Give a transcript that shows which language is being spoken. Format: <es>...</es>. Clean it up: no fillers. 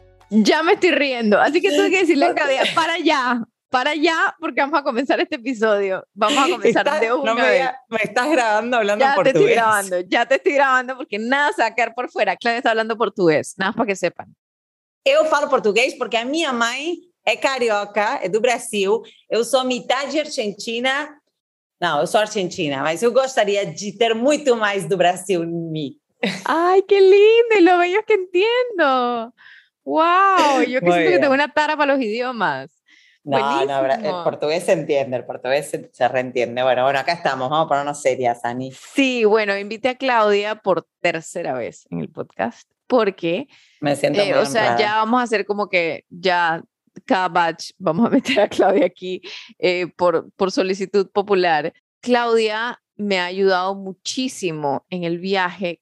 <es>Ya me estoy riendo, así que tuve que decirle a Claudia, para allá, porque vamos a comenzar este episodio. Vamos a comenzar de una vez. Me estás grabando hablando ya portugués. Ya te estoy grabando porque nada se va a quedar por fuera. Claudia está hablando portugués, nada más para que sepan.</es> <pt>Eu falo português porque a minha mãe é carioca, é do Brasil. Eu sou metade argentina. Não, eu sou argentina, mas eu gostaria de ter muito mais do Brasil em mim.</pt> <es>Ai, que lindo! E lo bello que entendo! Uau!</es> <pt>Eu que sinto que tenho uma tara para os idiomas. Não, o português se entende, o português se reentende.</pt> <es>Bueno, acá estamos.</es> <pt>Vamos para uma série, Sani.</pt> <es>Sim, sí, bueno, invité a Claudia</es> <pt>por terceira vez</pt> <es>en el podcast. Porque, me siento muy honrada. O sea, ya vamos a hacer como que ya cada batch vamos a meter a Claudia aquí por solicitud popular. Claudia me ha ayudado muchísimo en el viaje.</es>